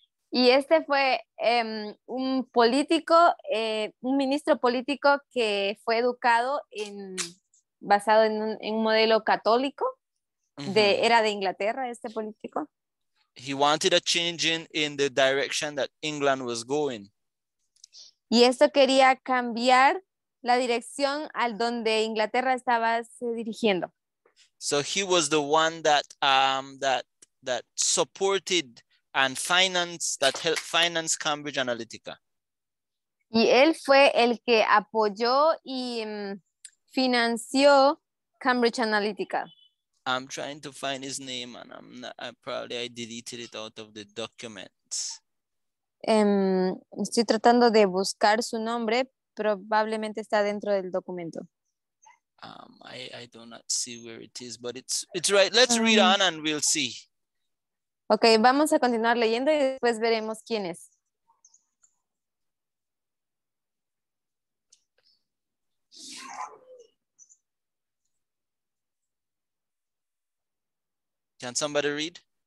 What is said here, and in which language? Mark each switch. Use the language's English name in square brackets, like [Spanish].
[Spanish] Y este fue un político, un ministro político que fue educado en, basado en un modelo católico, de, mm-hmm. era de Inglaterra este político. [English] He wanted a change in the direction that England was going. [Spanish] Y esto quería cambiar la dirección al donde Inglaterra estaba dirigiendo. [English] So he was the one that that supported and financed, that helped finance Cambridge Analytica. [Spanish] Y él fue el que apoyó y financió Cambridge Analytica. [English] I'm trying to find his name and I'm not, I deleted it out of the documents. [Spanish] Estoy tratando de buscar su nombre, probablemente está dentro del documento. [English] I do not see where it is, but it's right. Let's read on and we'll see. [Spanish] Okay, vamos a continuar leyendo y después veremos quién es. [English] Can somebody read?